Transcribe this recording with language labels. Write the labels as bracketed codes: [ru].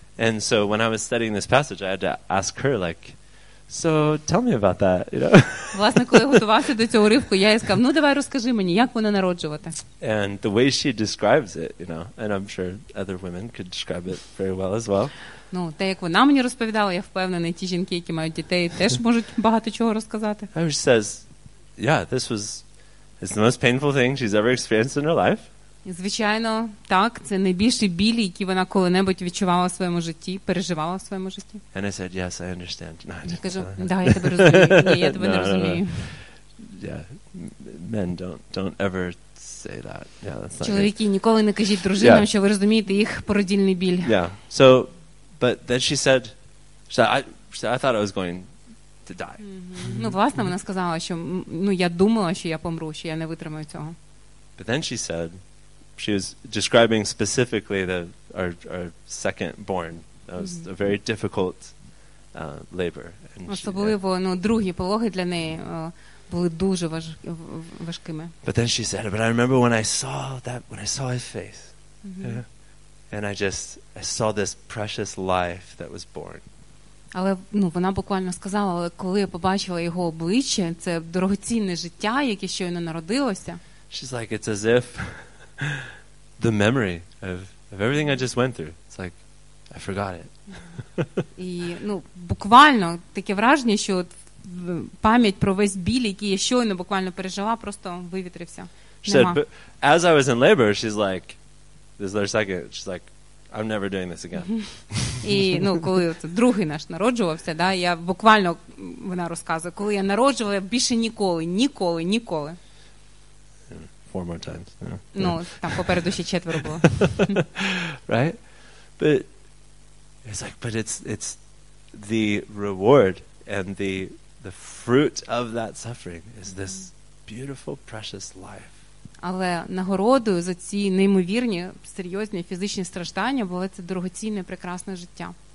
[en] And so when I was studying this passage, I had to ask her, like, so tell me about that, you know. [uk] Власне, коли готувався до цього уривку, я їй сказав: "Ну, давай розкажи мені, як воно народжувати". [en] And the way she describes it, you know, and I'm sure other women could describe it very well as well. [uk] Ну, те, як вона мені розповідала, я впевнений, ті жінки, які мають дітей, теж можуть багато чого розказати. [en] She says, "Yeah, this was It's the most painful thing she's ever experienced in her life. [uk] Звичайно, так, це найбільший біль, який вона коли-небудь відчувала в своєму житті, переживала в своєму житті. [en] And I said, yes, I understand. No, [uk] я кажу, да, я тебе розумію. Ні, я тебе не розумію. [en] Yeah. Men don't ever say that. Yeah, that's not [uk] чоловіки, ніколи не кажіть дружинам, що ви розумієте їх породільний біль. [en] Yeah. So, but then she said, I thought I was going to die. [uk] Ну, власне, вона сказала, що я думала, що я помру, що я не витримаю цього. [en] But then she said, she was describing specifically our second born. That was a very difficult labor. [uk] Особливо, другі пологи для неї були дуже важкими. [en] But then she said, but I remember when I saw his face. Yeah, and I saw this precious life that was born. [uk] Але вона буквально сказала, але коли я побачила його обличчя, це дорогоцінне життя, яке щойно народилося. [en] She's like, it's as if the memory of everything I just went through. It's like, I forgot it. [uk] І, буквально таке враження, що пам'ять про весь біль, який я щойно буквально пережила, просто вивітрився. [en] She said, but as I was in labor, she's like, this is their second, she's like, I'm never doing this again. [uk] І, коли другий наш народжувався, я буквально, вона розказує, коли я народжувала, більше ніколи. [en] Four more times. Yeah. [uk] Там попереду ще четверо було. [en] Right? But it's like, but it's the reward and the fruit of that suffering is this beautiful, precious life. [uk] Але нагородою за ці неймовірні, серйозні фізичні страждання було це дорогоцінне, прекрасне життя.